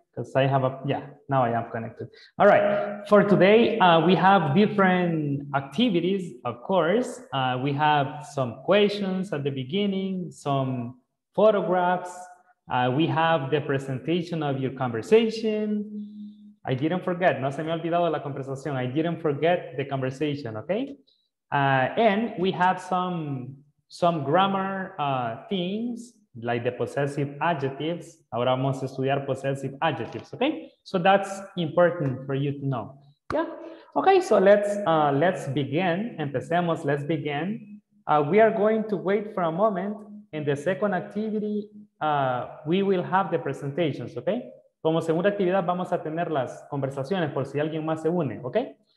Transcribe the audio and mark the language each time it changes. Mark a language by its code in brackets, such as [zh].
[en] Because I have a, yeah, now I am connected. All right, for today, we have different activities, of course. We have some questions at the beginning, some photographs. We have the presentation of your conversation. I didn't forget, [es] no se me ha olvidado la conversación. [en] I didn't forget the conversation, okay? And we have some grammar things, like the possessive adjectives. [es] Ahora vamos a estudiar [en] possessive adjectives, okay? So that's important for you to know. Yeah, okay, so let's begin. [es] Empecemos, [en] let's begin. We are going to wait for a moment. In the second activity, we will have the presentations, okay? [es] Como segunda actividad, vamos a tener las conversaciones por si alguien más se une, okay?